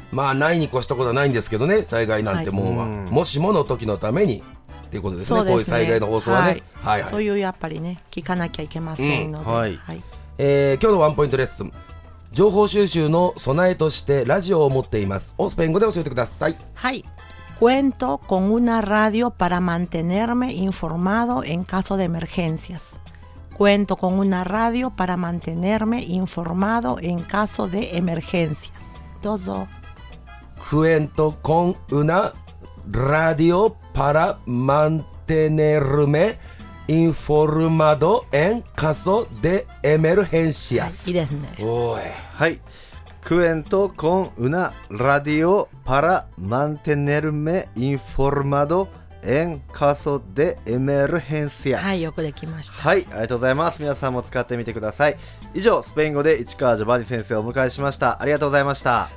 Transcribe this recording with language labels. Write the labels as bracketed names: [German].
[Japanese] まあないに越したことはないんですけどね、災害なんてもんは、はい、もしもの時のためにっていうことですね。そうですね、こういう災害の放送はね、はいはいはい、そういうやっぱりね聞かなきゃいけませんので、うん、はいはい。今日のワンポイントレッスン、情報収集の備えとしてラジオを持っていますをスペイン語で教えてください。はい。 [Spanish] Cuento con una radio para mantenerme informado en caso de emergencias. Cuento con una radio para mantenerme informado en caso de emergencias. [Japanese] Dozo. [Spanish] Cuento con una radio para mantenerme informado en caso de emergencias. [Japanese] いいですね。おい。はい。 [Spanish] クエントコンウナラディオパラマンテネルメインフォルマドエンカソデエメルヘンシアス。 [Japanese] はい、よくできました。はい、ありがとうございます。皆さんも使ってみてください。以上、スペイン語で市川ジョバニ先生をお迎えしました。ありがとうございました。